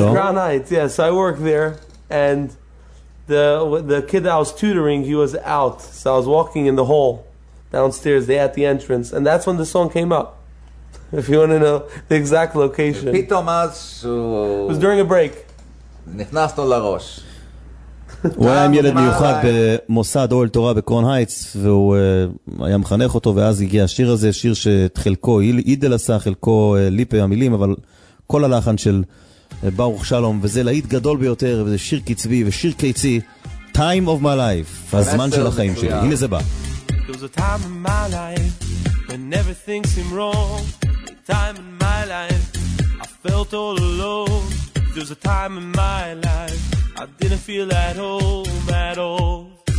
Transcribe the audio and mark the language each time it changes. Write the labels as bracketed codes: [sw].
[en] Yeah, Crown Heights, yeah. So I worked there, and... The kid that I was tutoring, he was out. So I was walking in the hall downstairs, there at the entrance. And that's when the song came up. If you want to know the exact location. It was during a break. [he] נכנסנו לראש. הוא היה עם ילד מיוחד במוסד אוהל תורה בקרון הייטס, והוא היה מחנך אותו, ואז הגיע השיר הזה, שיר שחלקו אידל עשה, חלקו ליפה המילים, אבל כל הלחן של... ברוך שלום, וזה להיט גדול ביותר, וזה שיר קצבי ושיר קיצי. [en] Time of my life, [he] הזמן של החיים שלי, הנה זה בא. [en] There was a time in my life when everything seemed wrong. Time in my life I felt all alone. There was a time in my life I didn't feel at home at all.